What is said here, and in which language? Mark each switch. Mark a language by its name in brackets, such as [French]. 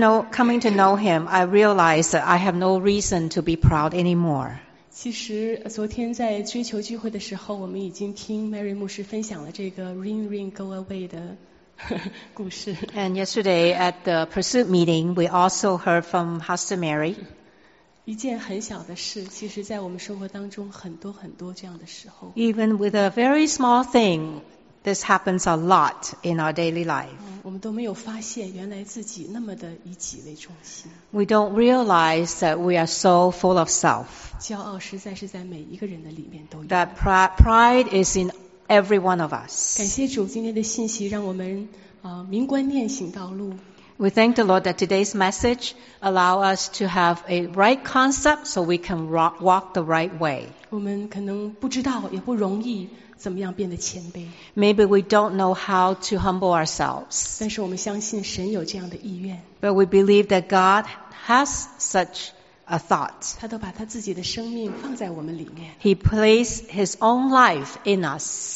[English] Coming to know Him, I realized that I have no reason to be proud anymore. [Chinese] 其实昨天在追求聚会的时候，我们已经听 Mary 牧师分享了这个 Ring Ring Go Away 的故事。 [English] And yesterday at the Pursuit meeting, we also heard from Pastor Mary. [Chinese] 一件很小的事，其实在我们生活当中很多很多这样的时候。 [English] Even with a very small thing, this happens a lot in our daily life. [Chinese] 我们都没有发现原来自己那么的以己为中心。 [English] We don't realize that we are so full of self. [Chinese] 骄傲实在是在每一个人的里面都有。 [English] That pride is in every one of us. [Chinese] 感谢主今天的信息让我们明观念行道路。 [English] We thank the Lord that today's message allow us to have a right concept so we can walk the right way. [Chinese] 我们可能不知道也不容易怎么样变得谦卑。 [English] Maybe we don't know how to humble ourselves. [Chinese] 但是我们相信神有这样的意愿。 [English] But we believe that God has such a thought. [Chinese] 他都把他自己的生命放在我们里面。 [English] He placed his own life in us.